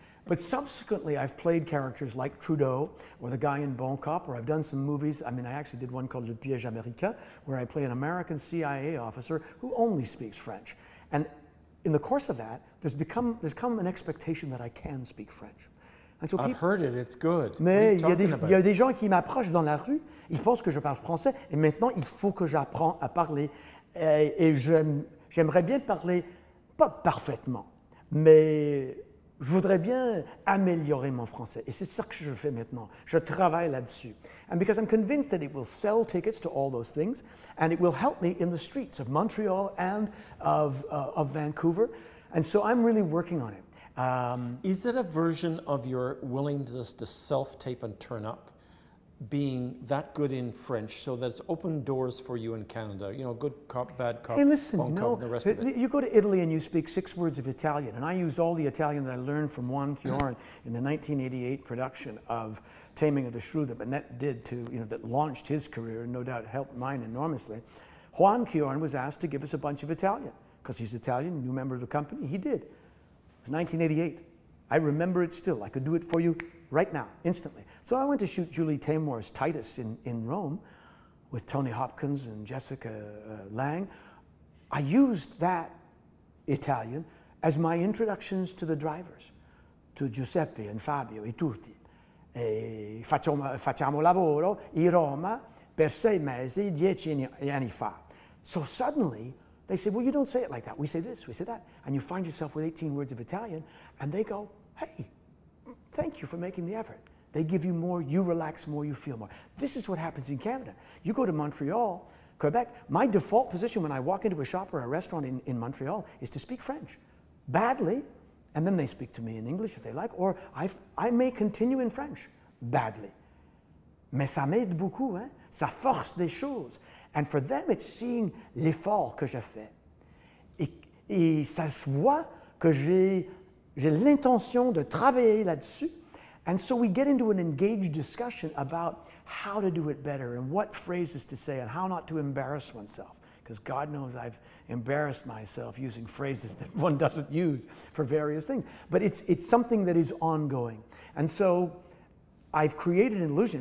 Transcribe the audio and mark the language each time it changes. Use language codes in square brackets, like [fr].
[en] But subsequently, I've played characters like Trudeau, or the guy in Bon Cop, or I've done some movies. I mean, I actually did one called Le Piège Américain, where I play an American CIA officer who only speaks French. And in the course of that, there's come an expectation that I can speak French. And so I've heard it. It's good. [fr] Mais il y a des gens qui m'approchent dans la rue. Ils pensent que je parle français. Et maintenant, il faut que j'apprends à parler. Et j'aimerais bien parler, pas parfaitement, mais je voudrais bien améliorer mon français. Et c'est ça que je fais maintenant. Je travaille là-dessus. [en] And because I'm convinced that it will sell tickets to all those things, and it will help me in the streets of Montreal and of Vancouver. And so I'm really working on it. Is it a version of your willingness to self-tape and turn up being that good in French so that it's opened doors for you in Canada? You know, good cop, bad cop, hey, listen, [fr] bon [en] no, cop, and the rest of it. You go to Italy and you speak six words of Italian, and I used all the Italian that I learned from Juan Cuarón in the 1988 production of Taming of the Shrew that Manette did to, you know, that launched his career and no doubt helped mine enormously. Juan Cuarón was asked to give us a bunch of Italian because he's Italian, new member of the company. He did. 1988. I remember it still. I could do it for you right now, instantly. So I went to shoot Julie Taymor's Titus in Rome with Tony Hopkins and Jessica Lang. I used that Italian as my introductions to the drivers, to Giuseppe and Fabio [it] e tutti. E facciamo lavoro in Roma per sei mesi, dieci anni fa. [en] So suddenly, they say, well, you don't say it like that. We say this, we say that. And you find yourself with 18 words of Italian, and they go, hey, thank you for making the effort. They give you more, you relax more, you feel more. This is what happens in Canada. You go to Montreal, Quebec, my default position when I walk into a shop or a restaurant in Montreal is to speak French, badly, and then they speak to me in English if they like, or I may continue in French, badly. [fr] Mais ça m'aide beaucoup, hein? Ça force des choses. [en] And for them, it's seeing [fr] l'effort que je fais. Et ça se voit que j'ai l'intention de travailler là-dessus. [en] And so we get into an engaged discussion about how to do it better and what phrases to say and how not to embarrass oneself. Because God knows I've embarrassed myself using phrases that one doesn't use for various things. But it's something that is ongoing. And so I've created an illusion.